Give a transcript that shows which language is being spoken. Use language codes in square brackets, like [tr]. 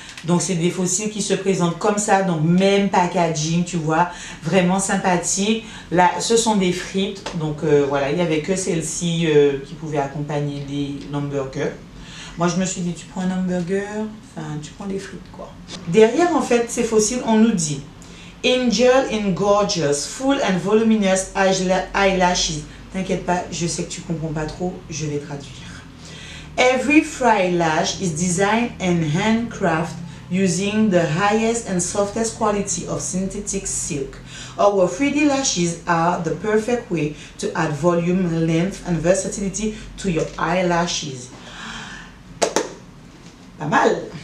[fr] Donc, c'est des fossiles qui se présentent comme ça. Donc, même packaging, tu vois. Vraiment sympathique. Là, ce sont des frites. Donc, voilà, il n'y avait que celle-ci qui pouvait accompagner les hamburgers. Moi, je me suis dit, tu prends un hamburger. Enfin, tu prends des frites, quoi. Derrière, en fait, ces fossiles, on nous dit. [en] Angel in gorgeous, full and voluminous eyelashes. [fr] T'inquiète pas, je sais que tu ne comprends pas trop. Je vais traduire. [en] Every fry lash is designed and handcrafted using the highest and softest quality of synthetic silk. Our 3D lashes are the perfect way to add volume, length and versatility to your eyelashes. [fr] Pas mal.